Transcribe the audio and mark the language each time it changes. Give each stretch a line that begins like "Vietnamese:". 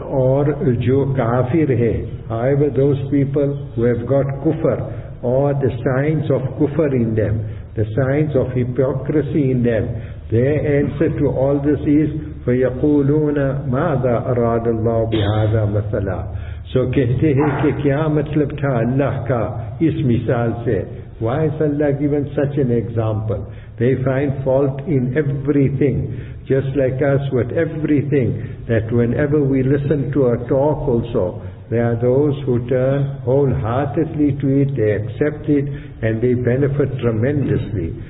English: Or
Urdu: جو kafir ہے.
English: However, those people who have got kufr, or the signs of kufr in them, the signs of hypocrisy in them, their answer to all this is
Arabic: فَيَقُولُونَ مَاذَا أَرَادَ اللَّهُ بِهَذَا مَثَلًا.
Urdu: So کہتے ہیں کہ کیا مطلب تھا اللہ کا اس مثال سے.
English: Why is Allah given such an example? They find fault in everything. Just like us with everything, that whenever we listen to a talk also, there are those who turn wholeheartedly to it, they accept it, and they benefit tremendously.